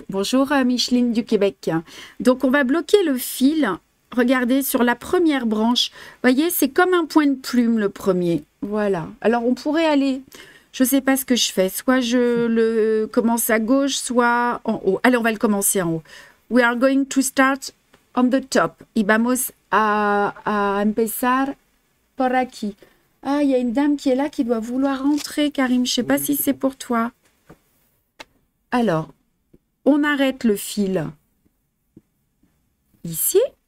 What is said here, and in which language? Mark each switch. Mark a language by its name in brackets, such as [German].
[French] Bonjour, Micheline du Québec. Donc, on va bloquer le fil. Regardez sur la première branche. Voyez, c'est comme un point de plume, le premier. Voilà. Alors, on pourrait aller. Je ne sais pas ce que je fais. Soit je le commence à gauche, soit en haut. Allez, on va le commencer en haut. [English] We are going to start on the top. [Spanish] Y vamos à empezar por aquí. [French] Ah, il y a une dame qui est là qui doit vouloir rentrer, Karim. Je sais pas Oui, si c'est c'est bon. pour toi. Alors, on arrête le fil ici.